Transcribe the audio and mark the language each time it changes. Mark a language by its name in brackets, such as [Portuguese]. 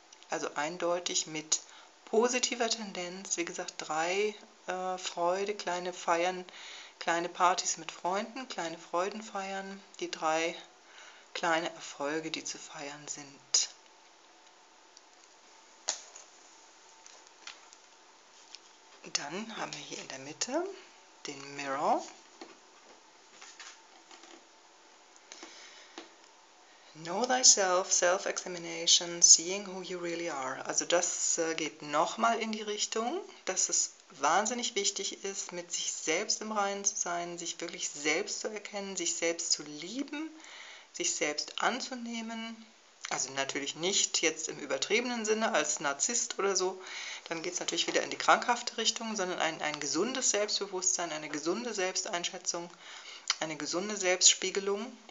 [German] Also eindeutig mit positiver Tendenz, wie gesagt, drei Freude, kleine Feiern, kleine Partys mit Freunden, kleine Freuden feiern, die drei kleine Erfolge, die zu feiern sind. Dann haben wir hier in der Mitte den Mirror. [English] Know thyself, self-examination, seeing who you really are. [German] Also das geht nochmal in die Richtung, dass es wahnsinnig wichtig ist, mit sich selbst im Reinen zu sein, sich wirklich selbst zu erkennen, sich selbst zu lieben, sich selbst anzunehmen. Also natürlich nicht jetzt im übertriebenen Sinne als Narzisst oder so, dann geht es natürlich wieder in die krankhafte Richtung, sondern ein gesundes Selbstbewusstsein, eine gesunde Selbsteinschätzung, eine gesunde Selbstspiegelung.